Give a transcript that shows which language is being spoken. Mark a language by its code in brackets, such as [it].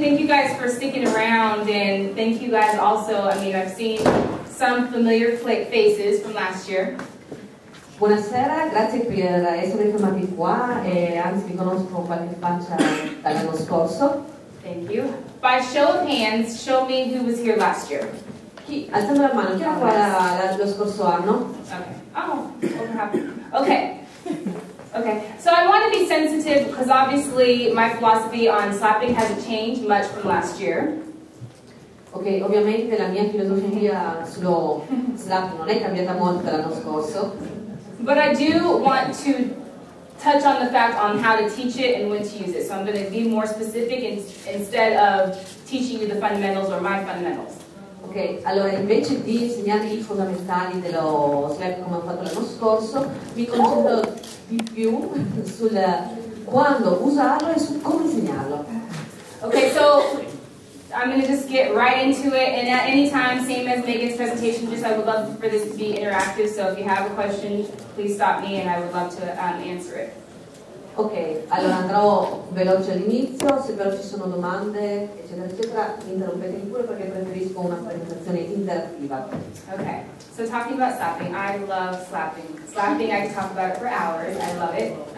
[en] Thank you guys for sticking around, and thank you guys also. I mean, I've seen some familiar faces from last year. [it] Buonasera, grazie per essere fermati qua, e anzi vi conosco qualche faccia dall'anno scorso. [en] Thank you. By show of hands, show me who was here last year. [it] Chi, alzando la mano, chi era qua lo scorso anno? [en] Okay. Okay, so I want to be sensitive because obviously my philosophy on slapping hasn't changed much from last year. [it] Okay, ovviamente la mia filosofia sullo slap non è cambiata molto dall'anno scorso. [en] But I do want to touch on the fact on how to teach it and when to use it. So I'm going to be more specific instead of teaching you the fundamentals or my fundamentals. [it] Ok, allora invece di insegnarvi i fondamentali dello slap come ho fatto l'anno scorso, mi concentro di più sul quando usarlo e su come insegnarlo. [en] Ok, so I'm going to just get right into it, and at any time, same as Megan's presentation, just I would love for this to be interactive, so if you have a question, please stop me and I would love to answer it. [it] Ok, allora andrò veloce all'inizio, se però ci sono domande, eccetera, eccetera, interrompetemi pure perché preferisco una presentazione interattiva. [en] Ok, so talking about slapping, I love slapping. Slapping, I talk about it for hours, I love it.